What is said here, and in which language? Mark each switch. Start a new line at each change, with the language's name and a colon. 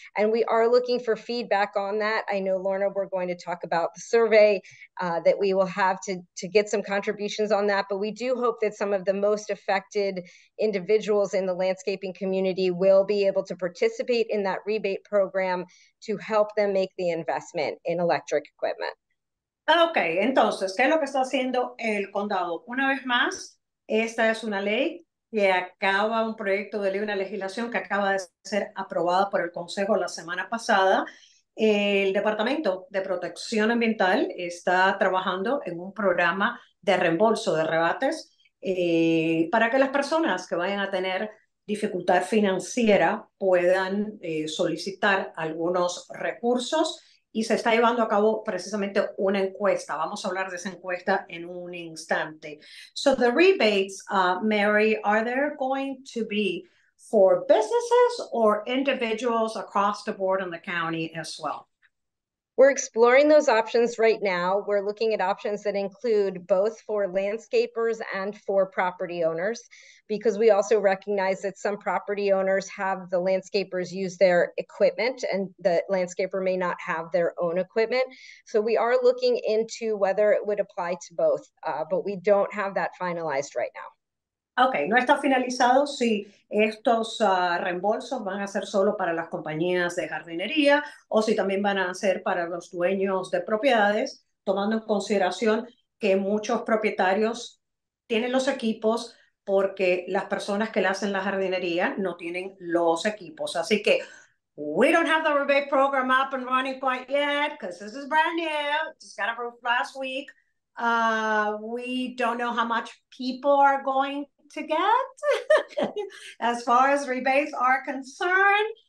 English: And we are looking for feedback on that. I know, Lorna, we're going to talk about the survey that we will have to get some contributions on that. But we do hope that some of the most affected individuals in the landscaping community will be able to participate in that rebate program to help them make the investment in electric equipment.
Spanish: Okay, entonces, ¿qué es lo que está haciendo el condado? Una vez más, esta es una ley que acaba, un proyecto de ley, una legislación que acaba de ser aprobada por el Consejo la semana pasada. El Departamento de Protección Ambiental está trabajando en un programa de reembolso de rebates para que las personas que vayan a tener dificultad financiera puedan solicitar algunos recursos. Y se está llevando a cabo precisamente una encuesta. Vamos a hablar de esa encuesta en un instante.
English: So the rebates, Mary, are there going to be for businesses or individuals across the board in the county as well? We're exploring those options right now. We're looking at options that include both for landscapers and for property owners, because we also recognize that some property owners have the landscapers use their equipment and the landscaper may not have their own equipment. So we are looking into whether it would apply to both, but we don't have that finalized right now.
Spanish: Okay, no está finalizado si estos reembolsos van a ser solo para las compañías de jardinería o si también van a ser para los dueños de propiedades, tomando en consideración que muchos propietarios tienen los equipos porque las personas que le hacen la jardinería no tienen los equipos. Así que,
English: we don't have the rebate program up and running quite yet because this is brand new. Just got approved last week. We don't know how much people are going to get as far as rebates are concerned.